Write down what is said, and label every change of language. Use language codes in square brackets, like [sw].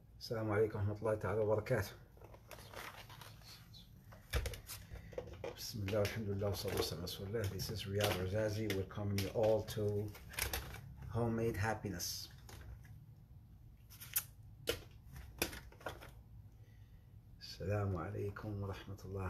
[ar] السلام عليكم ورحمة الله تعالى وبركاته. بسم الله والحمد لله والصلاة والسلام على رسول الله. [en] This is Riyad Razazi welcoming you all to Homemade Happiness. [ar] السلام عليكم ورحمة الله.